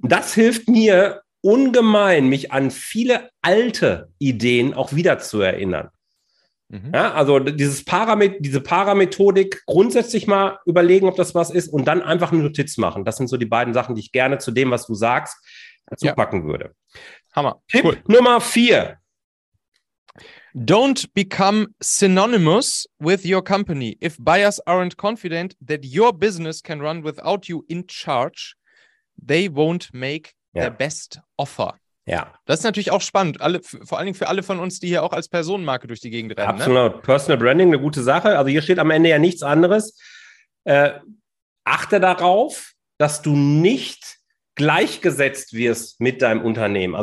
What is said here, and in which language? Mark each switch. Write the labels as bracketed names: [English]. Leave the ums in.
[German] Und das hilft mir ungemein, mich an viele alte Ideen auch wieder zu erinnern. Mhm. Ja, also dieses Paramet diese Paramethodik grundsätzlich mal überlegen, ob das was ist und dann einfach eine Notiz machen. Das sind so die beiden Sachen, die ich gerne zu dem, was du sagst, dazu Ja. packen würde. Hammer. Tipp Nummer vier. [English] Don't become synonymous with your company. If buyers aren't confident that your business can run without you in charge, they won't make [German] Ja. [English] their best offer. [German] Ja, Das ist natürlich auch spannend, alle, f- vor allen Dingen für alle von uns, die hier auch als Personenmarke durch die Gegend rennen. Ne? absolut. Personal Branding, eine gute Sache. Also hier steht am Ende ja nichts anderes. Äh, achte darauf, dass du nicht gleichgesetzt wirst mit deinem Unternehmen.